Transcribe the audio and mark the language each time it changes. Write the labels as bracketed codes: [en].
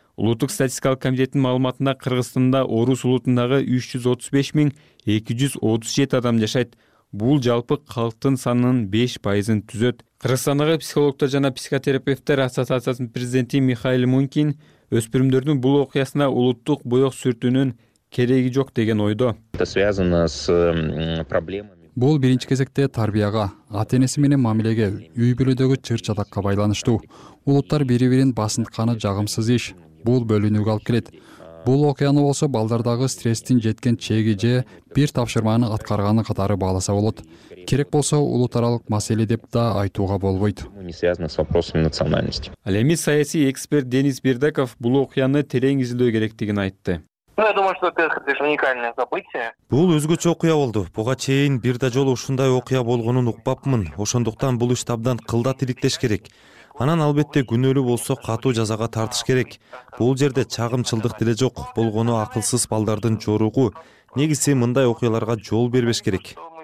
[ky] Улуттук статистикалык комитеттин маалыматында Кыргызстанда орус улутундагы 335237 адам жашайт. Бул жалпы калктын санынын 5% түзөт. Кыргызстандагы психологтор жана психотерапевттер ассоциациясынын президенти Михаил Мункин өспүрүмдөрдүн бул окуясына улуттук боек сүртүүнүн кереги жок деген ойдо. [ru] Это связано с проблемами. [ky] Бул биринчи кезекте тарбияга, ата энеси менен мамилеге, үй бүлөдөгү чыр чатакка байланыштуу. Улуттар бири бирин басынтканы жагымсыз иш. Бул бөлүнүүгө алып келет. Бул окуяны болсо балдардагы стресстин жеткен чеги же бир тапшырманы аткарганы катары бааласа болот. Керек болсо улут аралык маселе деп да айтууга болбойт. Ал эми саясий эксперт Денис Бирдаков бул окуяны терең изилдөө керектигин айтты. [ru] Ну, я думаю, что это уникальное событие. [ky] Бул өзгөчө окуя болду. Буга чейин бир да жолу ушундай окуя болгонун укпаппын. Ошондуктан бул иш абдан кылдат иликтеш керек. Анан албетте күнөөлүү болсо катуу жазага тартыш керек. Бул жерде чагымчылдык деле жок, болгону акылсыз балдардын жоругу. Негизи мындай окуяларга жол бербеш керек.